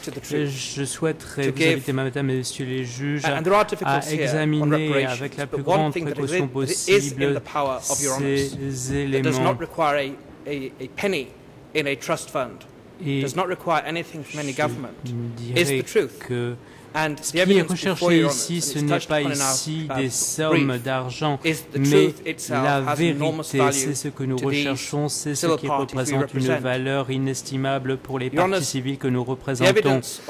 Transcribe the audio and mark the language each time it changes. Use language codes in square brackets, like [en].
[fr] Je souhaiterais vous inviter, mesdames et messieurs les juges, à examiner avec la plus grande précaution possible ces éléments. [en] A penny in a trust fund. It does not require anything from any government. Is the truth. [fr] And ce qui est recherché ici, ce n'est pas ici des sommes d'argent, mais la vérité, c'est ce que nous recherchons, c'est ce qui représente une valeur inestimable pour les parties civiles que nous représentons.